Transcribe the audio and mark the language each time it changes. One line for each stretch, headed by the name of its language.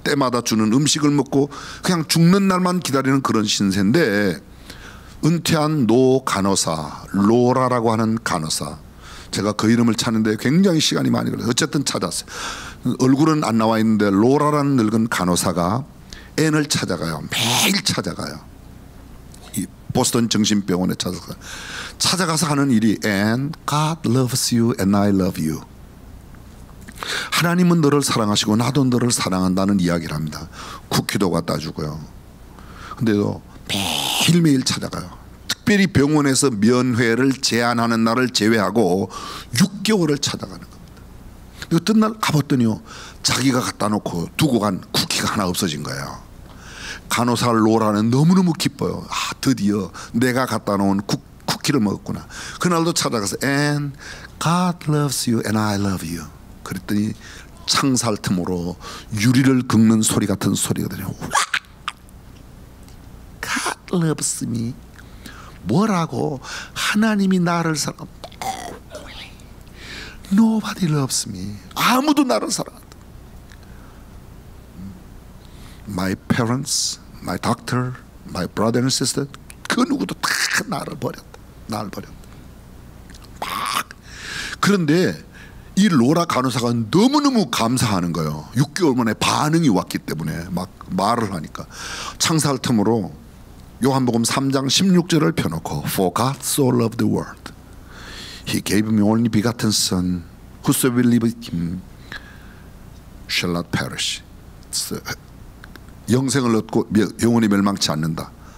Korean: 때마다 주는 음식을 먹고 그냥 죽는 날만 기다리는 그런 신세인데 은퇴한 노 간호사 로라라고 하는 간호사 제가 그 이름을 찾는데 굉장히 시간이 많이 걸려요. 어쨌든 찾았어요. 얼굴은 안 나와 있는데 로라라는 늙은 간호사가 N을 찾아가요. 매일 찾아가요. 이 보스턴 정신병원에 찾아가. 찾아가서 하는 일이
English: N, God loves you and I love you.
Korean: 하나님은 너를 사랑하시고 나도 너를 사랑한다는 이야기를 합니다. 쿠키도 갖다 주고요. 근데도 매일매일 찾아가요. 특별히 병원에서 면회를 제안하는 날을 제외하고 6개월을 찾아가는 겁니다. 어떤 날 가봤더니요, 자기가 갖다 놓고 두고 간 쿠키가 하나 없어진 거예요. 간호사 로라는 너무너무 기뻐요. 아, 드디어 내가 갖다 놓은 쿠키를 먹었구나. 그날도 찾아가서
English: And God loves you and I love you.
Korean: 그랬더니 창살 틈으로 유리를 긁는 소리 같은 소리가 들려요.
English: God loves me.
Korean: 뭐라고? 하나님이 나를 사랑.
English: Nobody loves me.
Korean: 아무도 나를 사랑한다.
English: My parents, my doctor, my brother and sister.
Korean: 그 누구도 다 나를 버렸다. 나를 버렸다. 막. 그런데 이 로라 간호사가 너무너무 감사하는 거예요. 6개월 만에 반응이 왔기 때문에 막 말을 하니까 창살 틈으로 요한복음 3장 16절을 펴놓고
English: For God so loved the world He gave me only begotten son Whosoever believeth him shall not perish
Korean: 영생을 얻고 영원히 멸망치 않는다.